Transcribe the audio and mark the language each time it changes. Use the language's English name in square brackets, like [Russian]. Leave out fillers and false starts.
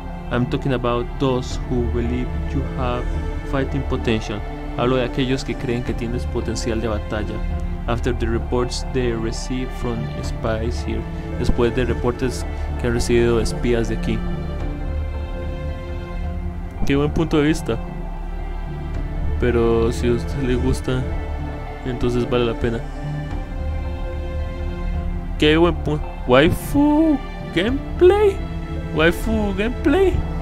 [English] I'm talking about those who believe you have fighting potential. [Spanish] Hablo de aquellos que creen que tienes potencial de batalla. [English] After the reports they received from spies here. [Spanish] Después de reportes que han recibido espías de aquí. Qué buen punto de vista. Pero si a usted le gusta, entonces vale la pena. Qué buen punto. [English] Waifu gameplay. Waifu gameplay.